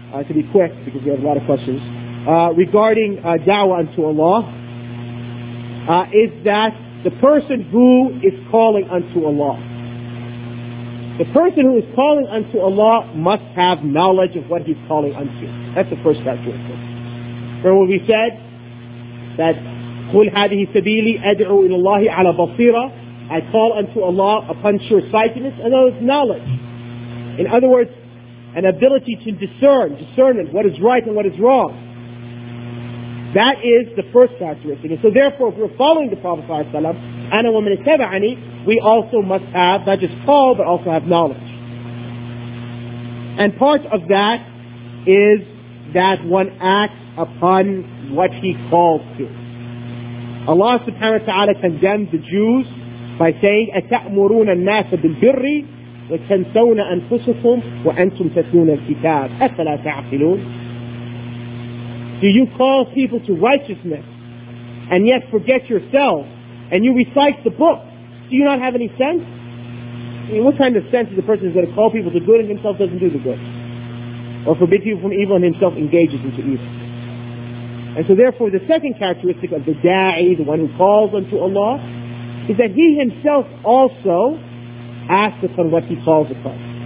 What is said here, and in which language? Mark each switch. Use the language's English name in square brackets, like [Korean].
[English] to be quick, because we have a lot of questions, regarding da'wah unto Allah, is that the person who is calling unto Allah, the person who is calling unto Allah must have knowledge of what he's calling unto. That's the first characteristic. Remember what we said? [Arabic] That قُلْ هَذِهِ سَبِيلِي أَدْعُوا إِلَى اللَّهِ عَلَى بَصِيرًا. [English] I call unto Allah upon sure sightedness, and that is knowledge. In other words, an ability to discernment, what is right and what is wrong. That is the first characteristic. And so therefore, if we're following the Prophet ﷺ, [Arabic] أَنَا وَمَنِ اتَّبَعَنِي, [English] we also must have, not just call, but also have knowledge. And part of that is that one acts upon what he calls to. Allah subhanahu wa ta'ala condemned the Jews by saying, [Arabic] أَتَأْمُرُونَ النَّاسَ بِالْبِرِّ وَتَنْسَوْنَ أَنفُسُكُمْ وَأَنْتُمْ تَتْلُونَ الْكِتَابِ أَفَلَا تَعْقِلُونَ. [English] Do you call people to righteousness and yet forget yourself and you recite the book? Do you not have any sense? I mean, what kind of sense is a person who's going to call people to good and himself doesn't do the good? Or forbid people from evil and himself engages into evil? And so therefore the second characteristic of the da'i, the one who calls unto Allah, is that he himself also acts upon what he calls upon.